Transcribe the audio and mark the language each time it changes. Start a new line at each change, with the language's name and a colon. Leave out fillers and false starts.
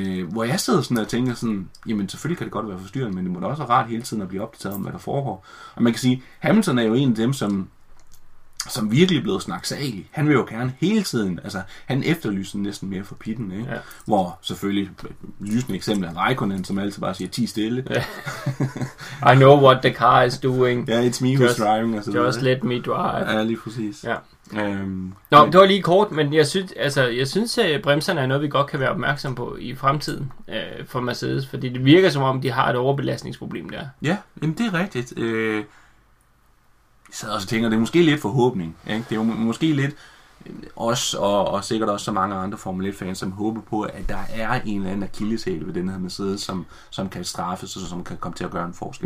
Danish: Hvor jeg sidder sådan og tænker sådan, jamen selvfølgelig kan det godt være forstyrrende, men det må da også være rart hele tiden at blive opdateret om, hvad der foregår. Og man kan sige, Hamilton er jo en af dem, som virkelig blev snaksagelig. Han vil jo gerne hele tiden, altså han efterlyser næsten mere for pitten, ikke? Ja. Hvor selvfølgelig lysende eksempel er Raikkonen, som altid bare siger, ti stille. Ja.
English: I know what the car is doing.
Danish: Ja,
English: yeah, it's me who's driving.
Danish: Og sådan
English: just let me drive.
Danish: Ja, lige præcis. Ja. Nå, det var lige kort, men jeg synes, at bremserne er noget, vi godt kan være opmærksom på i fremtiden for Mercedes, fordi det virker som om, de har et overbelastningsproblem der. Ja, jamen det er rigtigt. Jeg sad også og tænker, det er måske lidt forhåbning. Ikke? Det er måske lidt os, og sikkert også så mange andre Formel 1-fans, som håber på, at der er en eller anden akilleshæl ved den her Mercedes, som kan straffes, og som kan komme til at gøre en forskel.